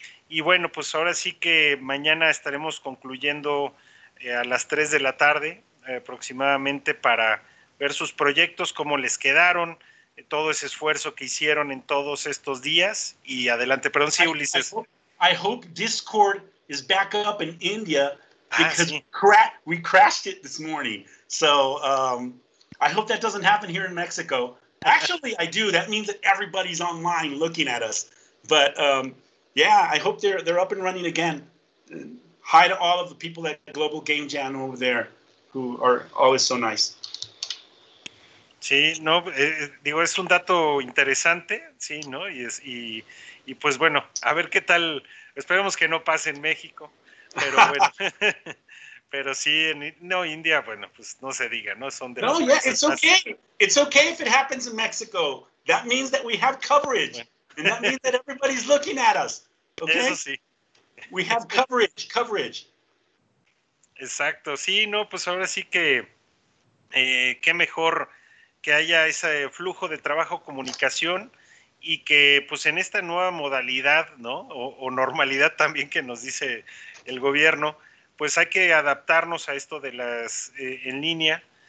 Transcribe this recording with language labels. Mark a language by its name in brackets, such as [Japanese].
[Spanish] Y bueno, pues ahora sí que mañana estaremos concluyendo a las 3 de la tarde aproximadamente para ver sus proyectos, cómo les quedaron, todo ese esfuerzo que hicieron en todos estos días. Y adelante, perdón, sí, Ulises. [English] I hope Discord is back up in India because we crashed it this morning. So I hope that doesn't happen here in Mexico. Actually, I do. That means that everybody's online looking at us. But I hope they're up and running again. Hi to all of the people at Global Game Jam over there who are always so nice. [Spanish] Sí, no, es un dato interesante, sí, ¿no? Y pues bueno, a ver qué tal, esperemos que no pase en México, pero bueno, pero sí, India, bueno, pues no se diga, ¿no? Son de [English] It's okay if it happens in Mexico. That means that we have coverage, and that means that everybody's looking at us, okay? [Spanish] Eso sí. [English] We have coverage. [Spanish] Exacto, sí, no, pues ahora sí que, qué mejor que haya ese flujo de trabajo, comunicación, y que pues en esta nueva modalidad, ¿no? O normalidad también que nos dice el gobierno, pues hay que adaptarnos a esto de las en línea.